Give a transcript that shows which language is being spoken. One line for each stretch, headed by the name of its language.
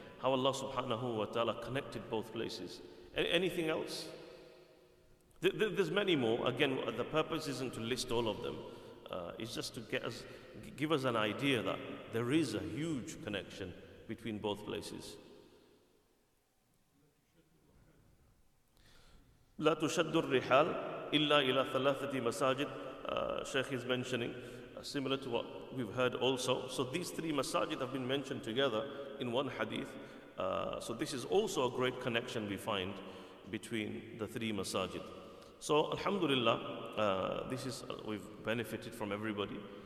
English: How Allah subhanahu wa ta'ala connected both places. Anything else? There's many more. Again, the purpose isn't to list all of them. It's just to give us an idea that there is a huge connection between both places.
Arabic: لا تشد الرحال إلا إلى ثلاثة مساجد.
English: Sheikh is mentioning, similar to what we've heard also. So these three masajid have been mentioned together in one hadith. So this is also a great connection we find between the three masajid. So alhamdulillah, we've benefited from everybody.